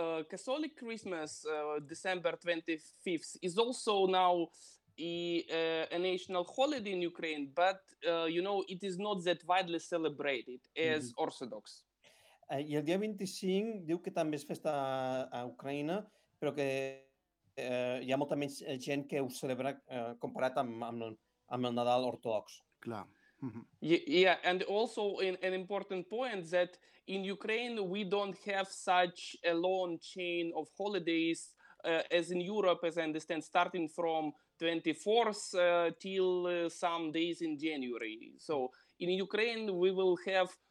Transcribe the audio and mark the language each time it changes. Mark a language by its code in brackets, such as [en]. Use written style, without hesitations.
[en] Catholic Christmas, December 25th, is also now a national holiday in Ukraine, but, you know, it is not that widely celebrated as Orthodox. [ca] I el dia 25 diu que també és festa a Ucraïna, però que... hi ha molta menys gent que ho celebra comparat amb el Nadal ortodox. Clar. [en] Yeah, and also an important point that in Ukraine we don't have such a long chain of holidays as in Europe, as I understand, starting from 24th till some days in January. So in Ukraine we will have